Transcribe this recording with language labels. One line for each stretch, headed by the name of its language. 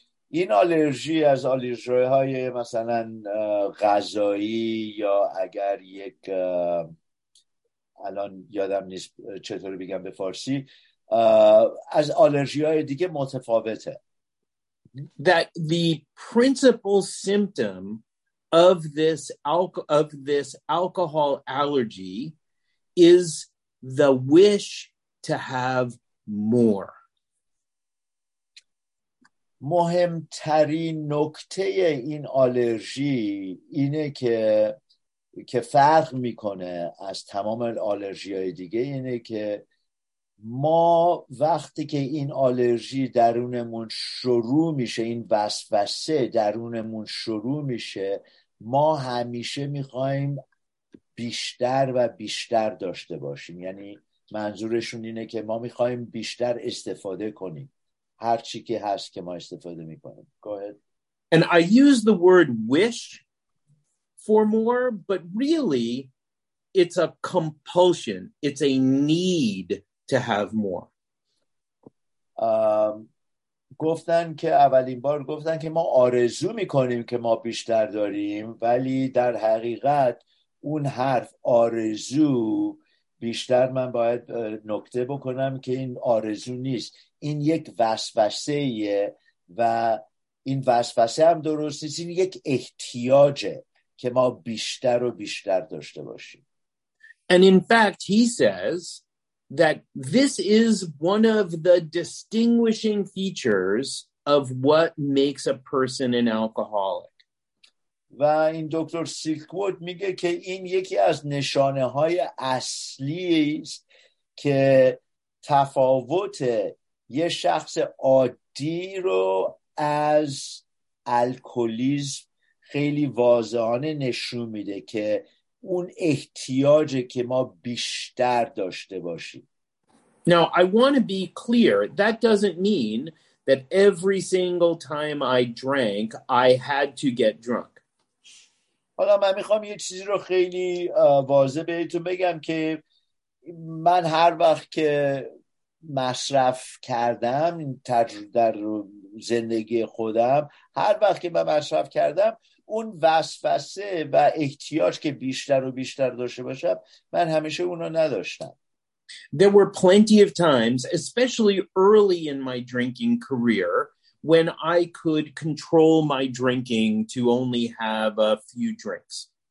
Persian: این آلرژی از آلرژی های مثلا غذایی یا اگر یک الان یادم نیست چطور بگم به فارسی از آلرژی‌های دیگه متفاوته.
English: That the principal symptom of this alcohol allergy is the wish to have more.
Persian: مهمترین نکته این آلرژی اینه که فرق میکنه از تمام آلرژی‌های دیگه اینه که ما وقتی که این آلرژی درونمون شروع میشه این وسوسه درونمون شروع میشه ما همیشه میخوایم بیشتر و بیشتر داشته باشیم یعنی منظورشون اینه که ما میخوایم بیشتر استفاده کنیم هر چی که هست که ما استفاده میکنیم
English: Go ahead. And I use the word wish for more but really it's a compulsion it's a need to have more
Persian: گفتن که اولین بار گفتن که ما آرزو میکنیم که ما بیشتر داریم، ولی در حقیقت اون حرف آرزو بیشتر من باید نکته بکنم که این آرزو نیست، این یک وسوسه ایه و این وسوسه هم درست نیست، این یک احتیاجه که ما بیشتر و بیشتر داشته باشیم.
English: And in fact he says that this is one of the distinguishing features of what makes a person an alcoholic.
Persian: و این دکتر سیلکوود میگه که این یکی از نشانه های اصلی است که تفاوت یه شخص عادی رو از الکلیسم خیلی واضحانه نشون میده، که اون احتیاجه که ما بیشتر داشته باشیم.
English: Now I want to be clear, that doesn't mean that every single time I drank I had to get drunk.
Persian: حالا من میخوام یه چیزی رو خیلی واضح بهتون بگم که من هر وقت که مصرف کردم در زندگی خودم، هر وقت که من مصرف کردم اون وسوسه و احتیاج که بیشتر و بیشتر داشته باشم من همیشه اونو نداشتم.
English: There were plenty of times, especially early in my drinking career, when I could control my drinking to only have a few drinks.